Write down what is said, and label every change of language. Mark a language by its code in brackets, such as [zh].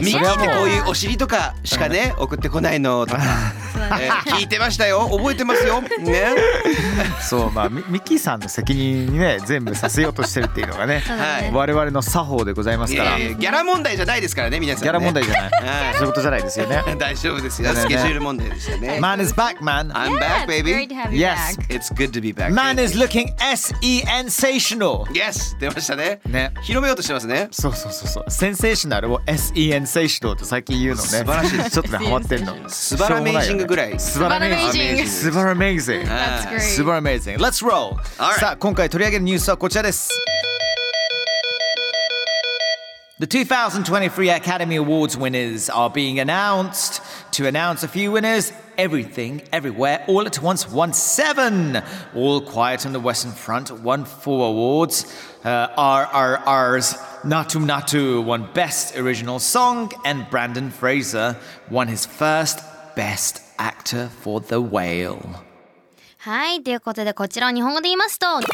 [ja] ミッキーってこういうお尻とかしかね送ってこないのとか聞いてましたよ、覚えてますよ、ね、そう、まあミッキーさんの責任にね全部させようとしてるっていうのがね、はい、我々の作法でございますから。ギャラ問題じゃないですからね、皆さん、ね、ギャラ問題じゃないそういうことじゃないですよね大丈夫ですよ、スケジュール問題ですよね。 [en] Man is back, man. I'm back, baby. Yes, it's good to be back. Man is looking sensational. [ja] Yes, 出ましたね、ね、広めようとしてますね。そうそうそうそう、先生シナルを sensational と最近言うのね。素晴らしい、ちょっとねハマってんの。スバラメイジングぐらい。スバラメイジング。スバラメイジング。スバラメイジング。 [en] Let's roll。 Right. [ja] さあ今回取り上げるニュースはこちらです。 [en] The 2023 Academy Awards winners are being announced. To announce a few winners, Everything, Everywhere, All at Once won seven. All Quiet on the Western Front won four awards. RRR's Natum Natu won Best Original Song, and Brandon Fraser won his first Best Actor for The Whale. [ja] はい、ということでこちらを日本語で言いますと。